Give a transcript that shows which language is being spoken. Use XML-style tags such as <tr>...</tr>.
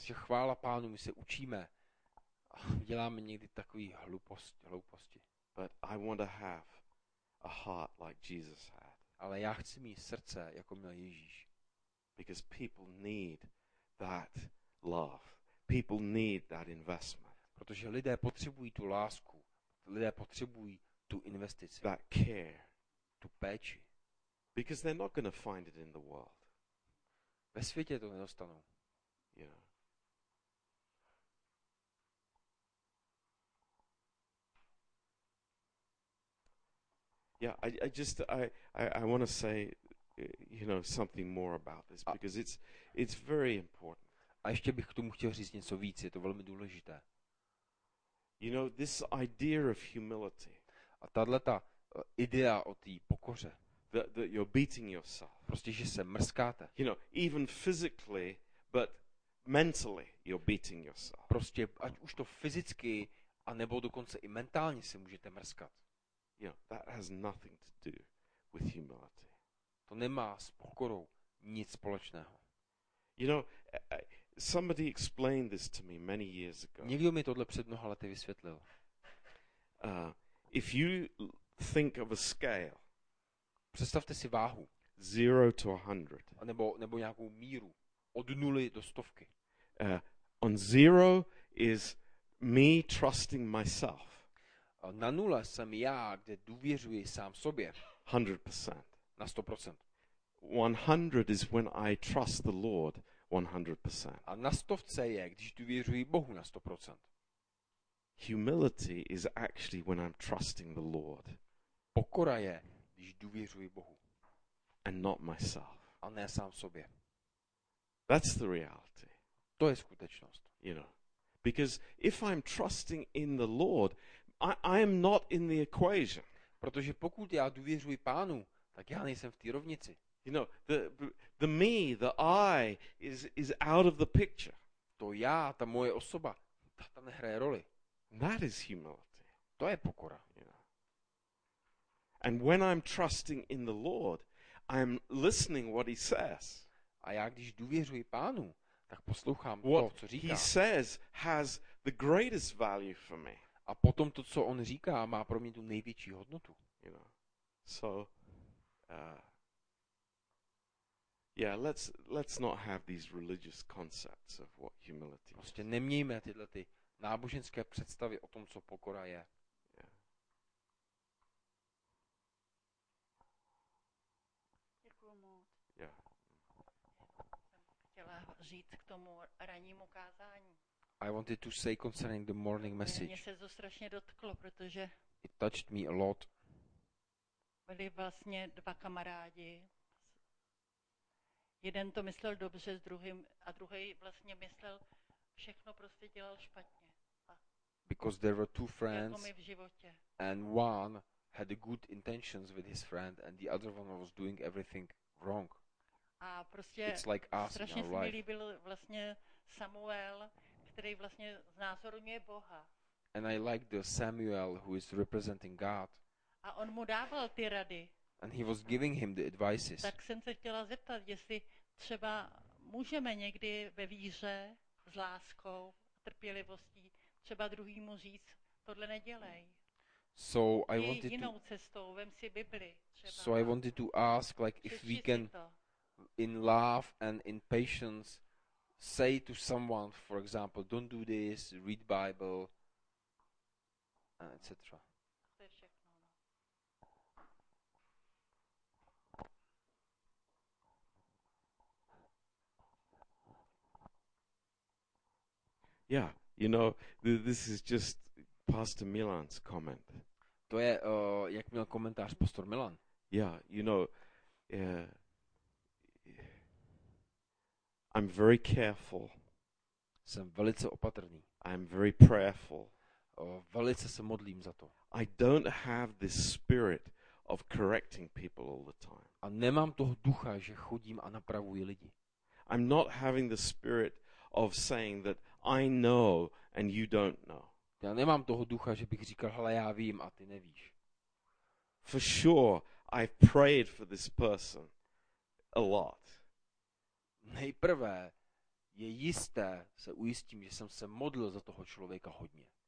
<cs>Že chvála Pánu, my se učíme. Děláme někdy takový hlouposti.</cs> <en>But I want to have a heart like Jesus had.</en> <cs>Ale já chci mít srdce, jako měl Ježíš.</cs> <en>Because people need that love. People need that investment.</en> <cs>Protože lidé potřebují tu lásku. Lidé potřebují tu investici.</cs> <en>That care.</en> <cs>Tu péči.</cs> <en>Because they're not going to find it in the world.</en> <cs>Ve světě to nedostanou. Yeah.</cs> <en>Yeah, I want to say, you know, something more about this because it's very important.</en> <cs>A ještě bych k tomu chtěl říct něco víc, je to velmi důležité.</cs> <en>You know, this idea of humility.</en> <cs>A tahle ta idea o té pokoře.</cs> <en>That you're beating yourself.</en> <cs>Prostě že se mrskáte.</cs> <en>You know, even physically, but mentally you're beating yourself.</en> <cs>Prostě ať už to fyzicky a nebo dokonce i mentálně se můžete mrskat.</cs> <en>You know, that has nothing to do with humility.</en> <cs>To nemá s pokorou nic společného.</cs> <en>You know, somebody explained this to me many years ago.</en> <cs>Někdo mi tohle před mnoha lety vysvětlil.</cs> <en>If you think of a scale.</en> <cs>Představte si váhu.</cs> <en>0 to 100.</en> <cs>Nebo nějakou míru od nuly do stovky.</cs> <en>On zero is me trusting myself.</en> <cs>Na nule jsem já, kde důvěřuji sám sobě.</cs> <en>100%.</en> <cs>Na 100%.</cs> <en>100 is when I trust the Lord 100%.</en> <cs>A na stovce je, když důvěřuji Bohu na 100%.</cs> <en>Humility is actually when I'm trusting the Lord.</en> <cs>Pokora je, když důvěřuji Bohu.</cs> <en>And not myself.</en> <cs>A ne sám sobě.</cs> <en>That's the reality.</en> <cs>To je skutečnost.</cs> <en>You know, because if I'm trusting in the Lord, I am not in the equation.</en> <cs>Protože pokud já důvěřuji Pánu, tak já nejsem v té rovnici.</cs> <en>You know, the me, the I is out of the picture.</en> <cs>To já, ta moje osoba, ta tam nehraje roli.</cs> <en>That is humility.</en> <cs>To je pokora. Yeah.</cs> <en>And when I'm trusting in the Lord, I'm listening what he says.</en> <cs>A já když důvěřuji Pánu, tak poslouchám</cs> <en>what</en> <cs>to, co říká.</cs> <en>He says has the greatest value for me.</en> <cs>A potom to, co on říká, má pro mě tu největší hodnotu.</cs> <en>You know. So, yeah, let's not have these religious concepts of what humility.</en> <cs>Prostě nemějme tyhle ty náboženské představy o tom, co pokora je. Děkuju moc. Yeah. Chtěla říct k tomu rannímu kázání.</cs> <en>I wanted to say concerning the morning message.</en> <cs>Mě se to strašně dotklo, protože</cs> <en>it touched me a lot.</en> <cs>Byli vlastně dva kamarádi. Jeden to myslel dobře s druhým a druhý vlastně myslel všechno prostě dělal špatně.</cs> <en>Because there were two friends.</en> <cs>Jako mi v životě.</cs> <en>And one had good intentions with his friend and the other one was doing everything wrong.</en> <cs>A prostě</cs> <en>it's like us</en> <cs>strašně se mi líbil vlastně Samuel, který vlastně znázorňuje Boha.</cs> <en>And I like the Samuel who is representing God.</en> <cs>A on mu dával ty rady.</cs> <en>And he was giving him the advices.</en> <cs>Tak jsem se chtěla zeptat, jestli třeba můžeme někdy ve víře s láskou a trpělivostí třeba druhýmu říct, tohle nedělej.</cs> <en>So I wanted</en> <cs>jinou cestou, vem si Bibli.</cs> <en>So I wanted to ask, like, if we can, in love and in patience, say to someone, for example, don't do this, read Bible, etc. Yeah, you know, this is just Pastor Milan's comment.</en> <cs>To je, jak měl komentář Pastor Milan.</cs> <en>Yeah, you know, I'm very careful.</en> <cs>Jsem velice opatrný.</cs> <en>I'm very prayerful.</en> <cs>Velice se modlím za to.</cs> <en>I don't have this spirit of correcting people all the time.</en> <cs>A nemám toho ducha, že chodím a napravuji lidi.</cs> <en>I'm not having the spirit of saying that I know and you don't know.</en> <cs>Já nemám toho ducha, že bych říkal, hele, já vím a ty nevíš.</cs> <en>For sure, I've prayed for this person a lot.</en> <cs>Nejprve je jisté, se ujistím, že jsem se modlil za toho člověka hodně.</cs>